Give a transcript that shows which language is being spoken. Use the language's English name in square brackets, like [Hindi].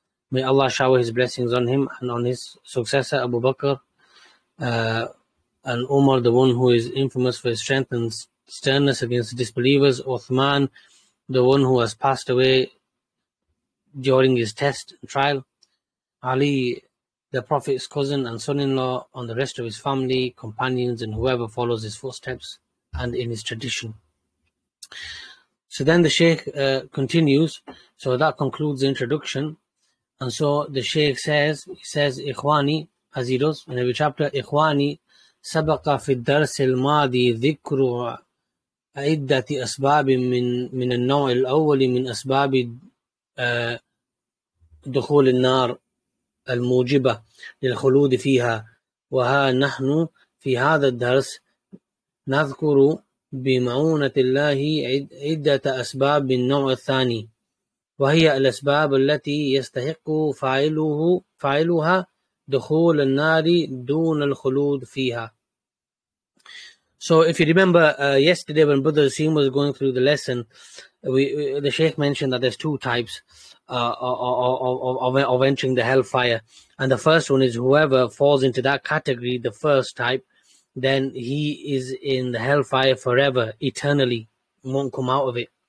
[English] May Allah shower his blessings on him and on his successor Abu Bakr and Umar, the one who is infamous for his strength and sternness against the disbelievers, Uthman, the one who has passed away during his test and trial, Ali, the Prophet's cousin and son-in-law, on the rest of his family, companions, and whoever follows his footsteps and in his tradition. So then the Shaykh continues. So that concludes the introduction. [Arabic] And so the Shaykh says, he says, Ikhwani, as he does in every chapter, Ikhwani, سبق في الدرس الماضي ذكر عدة أسباب من النوع الأول من أسباب دخول النار الموجبة للخلود فيها، وها نحن في هذا الدرس نذكر بمعونة الله عدة أسباب من النوع الثاني، وهي الأسباب التي يستحق فاعلها دخول النار دون الخلود فيها. [English] So if you remember yesterday when Brother Waseem was going through the lesson, the Shaykh mentioned that there's two types of entering the hellfire, and the first one is whoever falls into that category, the first type, then he is in the hellfire forever, eternally, won't come out of it.